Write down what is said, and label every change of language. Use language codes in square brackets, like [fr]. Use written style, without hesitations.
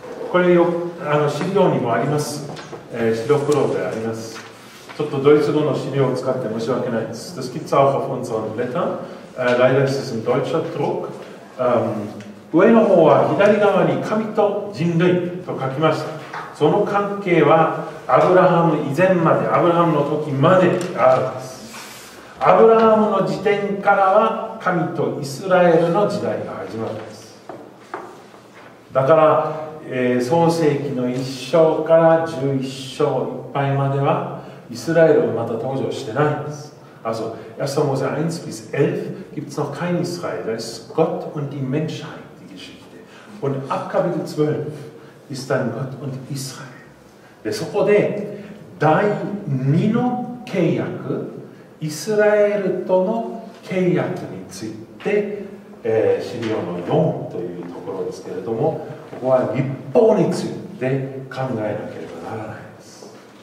[ja] これよ、資料にもあります。白黒であります。ちょっとドイツ語の資料を使って申し訳ないです。 [de] Das gibt's auch auf unseren Blättern. Leider ist es ein deutscher Druck. [ja] 上の方は左側に神と人類と書きました。その関係はアブラハム以前まで、アブラハムの時まであるんです。アブラハムの時点からは神とイスラエルの時代が始まるんです。だから、創世記の1章から11章いっぱいまではイスラエルはまだ登場してないんです。 [de] Also, 1. Mose 1 bis 11 gibt es noch kein Israel. Das ist Gott und die Menschheit, die Geschichte. Und ab Kapitel 12 ist dann Gott und Israel. [ja] で、そこで第2の契約、イスラエルとの契約について、資料の4というところですけれども、ここは立法について考えなければならないです。